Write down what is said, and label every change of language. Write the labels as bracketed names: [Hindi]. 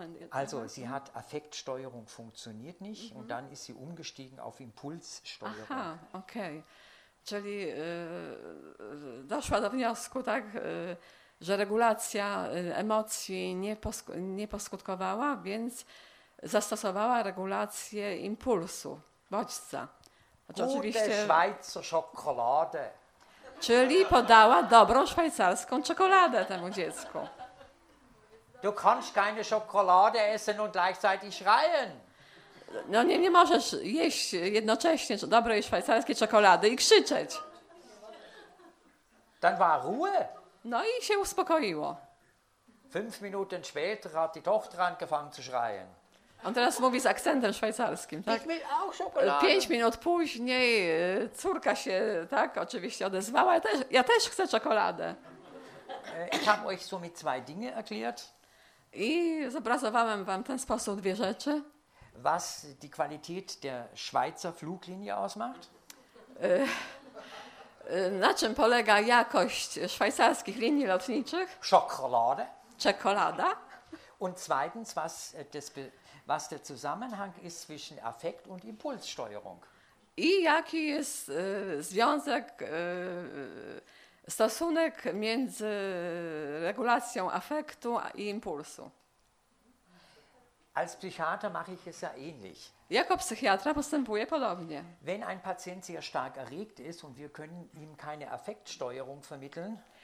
[German] Also, sie hat Affektsteuerung funktioniert nicht und dann ist sie umgestiegen auf Impulssteuerung. Aha, okay. [Polish] Czyli doszła do wniosku, tak, że regulacja emocji nie poskutkowała, więc zastosowała regulację impulsu, bodźca. Oczywiście, [German] Schweizer Schokolade. [Polish] Czyli podała dobrą szwajcarską czekoladę temu dziecku. [German] Du kannst keine Schokolade essen und gleichzeitig schreien. [Polish] No nie możesz jeść jednocześnie dobrej szwajcarskiej czekolady i krzyczeć. [German] Dann war Ruhe. [Polish] No i się uspokoiło. [German] Fünf Minuten später hat die Tochter angefangen zu schreien. [Polish] On teraz mówi z akcentem szwajcarskim, tak? [German] Ich will auch Schokolade. [Polish] Pięć minut później córka się, tak, oczywiście odezwała. Ja też chcę czekoladę. [German] Ich habe euch somit zwei Dinge erklärt. [Polish] I zobrazowałem wam w ten sposób dwie rzeczy. [German] Was die Qualität der Schweizer Fluglinie ausmacht? [Polish] Na czym polega jakość szwajcarskich linii lotniczych? [German] Schokolade. [Polish] Czekolada. [German] Und zweitens, was der Zusammenhang ist zwischen Affekt und Impulssteuerung. [Polish] I jaki jest związek, stosunek między regulacją afektu i impulsu? [German] Als Psychiater mache ich es ja ähnlich. [Polish] Jako psychiatra postępuję podobnie. [German] Wenn ein Patient sehr stark erregt ist und wir können ihm keine Affektsteuerung vermitteln.